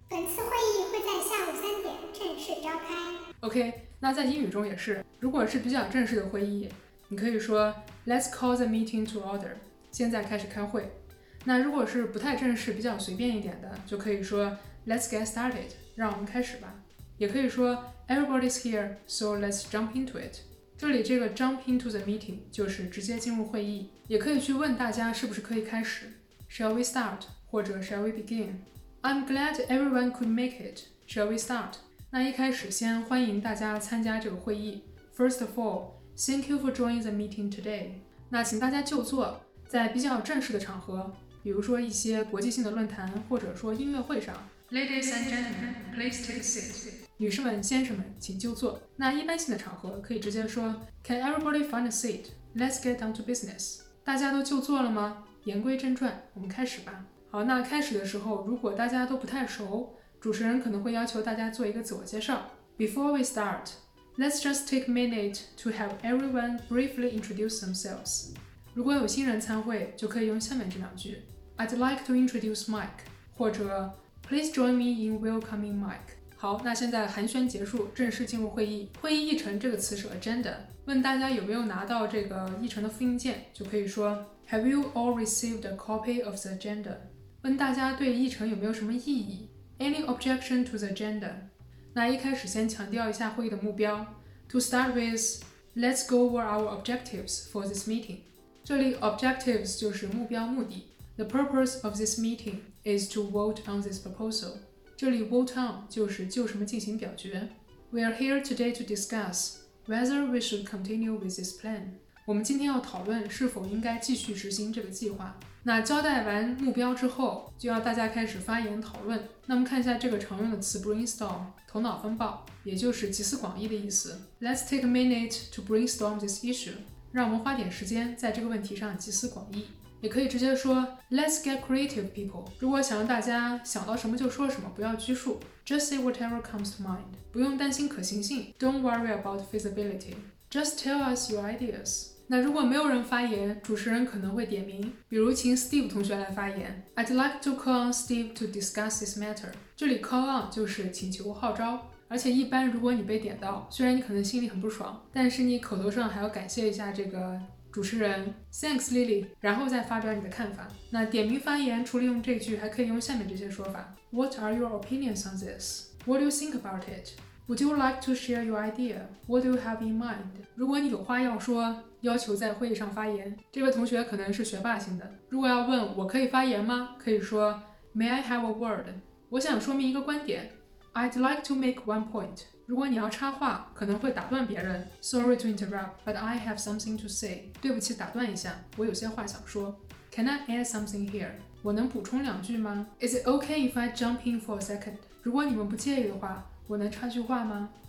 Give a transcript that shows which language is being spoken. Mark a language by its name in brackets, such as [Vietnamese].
[Chinese] 本次会议会在下午3点正式召开。 OK， 那在英语中也是，如果是比较正式的会议，你可以说 [English] Let's call the meeting to order， [Chinese] 现在开始开会。那如果是不太正式比较随便一点的，就可以说 [English] Let's get started， [Chinese] 让我们开始吧。也可以说 [English] Everybody's here so let's jump into it， 这里这个 jump into the meeting [Chinese] 就是直接进入会议。也可以去问大家是不是可以开始， [English] Shall we start？或者 Shall we begin？ I'm glad everyone could make it， Shall we start？ [Chinese] 那一开始先欢迎大家参加这个会议。 [English] First of all, thank you for joining the meeting today。 [Chinese] 那请大家就坐，在比较正式的场合，比如说一些国际性的论坛或者说音乐会上。 [English] Ladies and gentlemen, please take a seat。 [Chinese] 女士们先生们请就坐。那一般性的场合可以直接说 [English] Can everybody find a seat? Let's get down to business。 [Chinese] 大家都就坐了吗？言归正传，我们开始吧。好，那开始的时候如果大家都不太熟，主持人可能会要求大家做一个自我介绍。 [English] Before we start, let's just take a minute to have everyone briefly introduce themselves. [Chinese] 如果有新人参会，就可以用下面这两句， [English] I'd like to introduce Mike， 或者 Please join me in welcoming Mike。 [Chinese] 好，那现在寒暄结束，正式进入会议。会议议程这个词是 agenda， 问大家有没有拿到这个议程的复印件，就可以说 [English] Have you all received a copy of the agenda？ [Chinese] 问大家对议程有没有什么异议， [English] Any objection to the agenda? [Chinese] 那一开始先强调一下会议的目标。 [English] To start with, let's go over our objectives for this meeting. [Chinese] 这里 objectives 就是目标目的。 [English] The purpose of this meeting is to vote on this proposal. [Chinese] 这里 vote on 就是就什么进行表决。 [English] We are here today to discuss whether we should continue with this plan. [Chinese] 我们今天要讨论是否应该继续执行这个计划。那交代完目标之后，就要大家开始发言讨论。那么看一下这个常用的词 brainstorm， 头脑风暴，也就是集思广益的意思。 [English] Let's take a minute to brainstorm this issue， [Chinese] 让我们花点时间在这个问题上集思广益。也可以直接说 [English] Let's get creative people， [Chinese] 如果想让大家想到什么就说什么，不要拘束。 [English] Just say whatever comes to mind， [Chinese] 不用担心可行性。 [English] Don't worry about feasibility， Just tell us your ideas。 [Chinese] 那如果没有人发言，主持人可能会点名，比如请 Steve 同学来发言。 [English] I'd like to call on Steve to discuss this matter， [Chinese] 这里 call on 就是请求号召。而且一般如果你被点到，虽然你可能心里很不爽，但是你口头上还要感谢一下这个主持人， [English] Thanks Lily， [Chinese] 然后再发表你的看法。那点名发言除了用这句，还可以用下面这些说法。 [English] What are your opinions on this? What do you think about it? Would you like to share your idea? What do you have in mind? [Chinese] 如果你有话要说，要求在会议上发言，这位同学可能是学霸型的。如果要问我可以发言吗，可以说 [English] May I have a word， [Chinese] 我想说明一个观点。 [English] I'd like to make one point， [Chinese] 如果你要插话可能会打断别人， [English] Sorry to interrupt but I have something to say， [Chinese] 对不起打断一下，我有些话想说。 [English] Can I add something here， [Chinese] 我能补充两句吗？ [English] Is it okay if I jump in for a second， [Chinese] 如果你们不介意的话我能插句话吗？